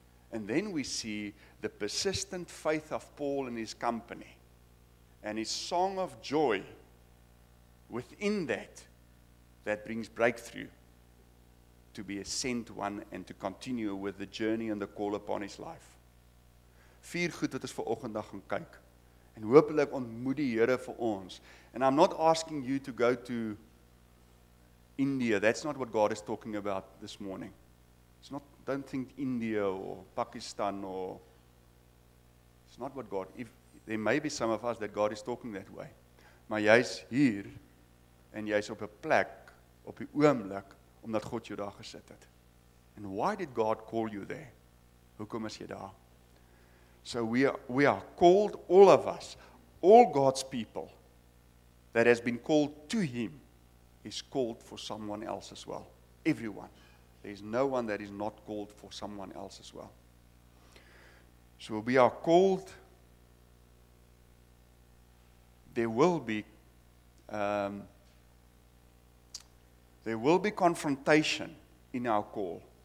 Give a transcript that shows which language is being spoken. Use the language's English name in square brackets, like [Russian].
[English] And then we see the persistent faith of Paul and his company and his song of joy within that brings breakthrough to be a sent one and to continue with the journey and the call upon his life. [Afrikaans] Vier goed wat ons vir oggend gaan kyk. En hopelik ontmoet die Here vir ons. [English] And I'm not asking you to go to India. That's not what God is talking about this morning. It's not, don't think India or Pakistan or, it's not what God, if there may be some of us that God is talking that way. [Afrikaans] Maar jy is hier en jy is op 'n plek, op die oomblik, omdat God jou daar gesit het. [English] And why did God call you there? [Afrikaans] Hoekom is jy daar? [English] So we are called, all of us, all God's people that has been called to him is called for someone else as well. Everyone. There is no one that is not called for someone else as well. So we are called, there will be confrontation in our call.